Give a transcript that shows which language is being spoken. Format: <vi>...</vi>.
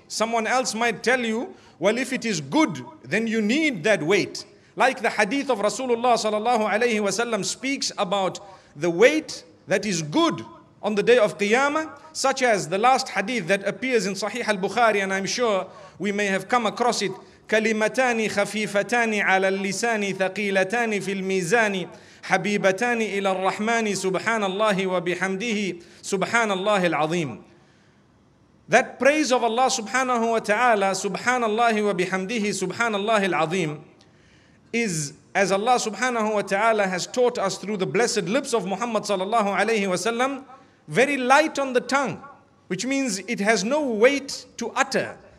<en>Someone else might tell you, well, if it is good, then you need that weight. Like the hadith of Rasulullah sallallahu alayhi wa sallam speaks about the weight that is good on the day of Qiyamah, such as the last hadith that appears in Sahih al-Bukhari, and I'm sure we may have come across it.</en> <ar>كلمتان خفيفتان على اللسان ثقيلتان في الميزان حبيبتان إلى الرحمن سبحان الله وبحمده سبحان الله العظيم.</ar> <en>That praise of Allah subhanahu wa ta'ala,</en> <ar>سبحان الله وبحمده سبحان الله العظيم,</ar> <en>is, as Allah subhanahu wa ta'ala has taught us through the blessed lips of Muhammad sallallahu alayhi wa sallam, very light on the tongue, which means it has no weight to utter.</en>